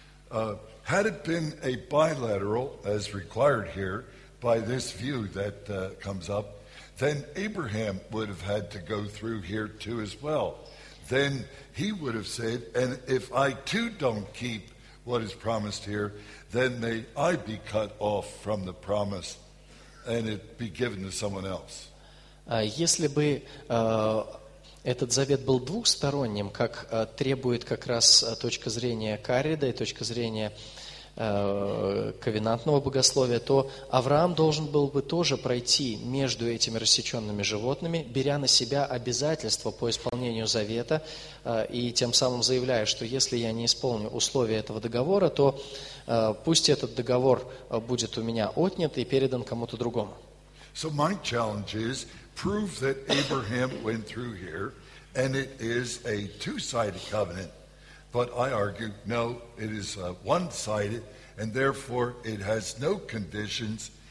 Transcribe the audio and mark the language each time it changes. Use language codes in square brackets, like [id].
[en] Had it been a bilateral, as required here, by this view that comes up, then Abraham would have had to go through here too as well. Then he would have said, and if I too don't keep what is promised here, then may I be cut off from the promise and it be given to someone else. [ru] Если бы этот завет был двухсторонним, как требует как раз точка зрения Каррида и точка зрения ковенантного богословия, то Авраам должен был бы тоже пройти между этими рассеченными животными, беря на себя обязательства по исполнению завета и тем самым заявляя, что если я не исполню условия этого договора, то пусть этот договор будет у меня отнят и передан кому-то другому. [en] So my challenge is prove that Abraham went through here, and it is a two-sided covenant. But I argue, no, it is one-sided, and therefore it has no conditions.